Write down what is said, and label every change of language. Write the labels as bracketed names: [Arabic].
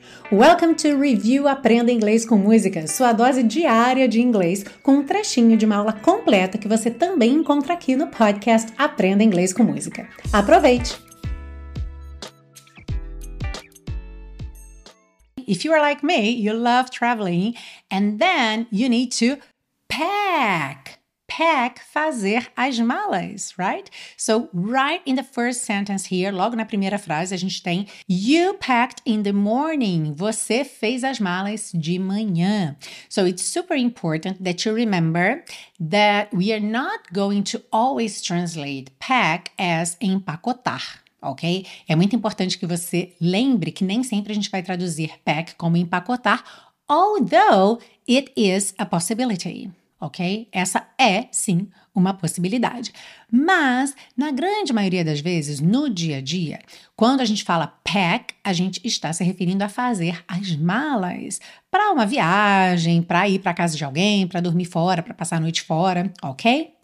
[Portuguese] Welcome to Review Aprenda Inglês com Música, sua dose diária de inglês, com um trechinho de uma aula completa que você também encontra aqui no podcast Aprenda Inglês com Música. Aproveite! [English] If you are like me, you love traveling, and then you need to pack. Pack, [Portuguese] fazer as malas, [English] right? So, right in the first sentence here, [Portuguese] logo na primeira frase, a gente tem [English] you packed in the morning. [Portuguese] Você fez as malas de manhã. [English] So, it's super important that you remember that we are not going to always translate pack as empacotar. Ok? [Portuguese] É muito importante que você lembre que nem sempre a gente vai traduzir pack como empacotar, [English] although it is a possibility, ok? [Portuguese] Essa é, sim, uma possibilidade. Mas, na grande maioria das vezes, no dia a dia, quando a gente fala pack, a gente está se referindo a fazer as malas para uma viagem, para ir para casa de alguém, para dormir fora, para passar a noite fora, ok?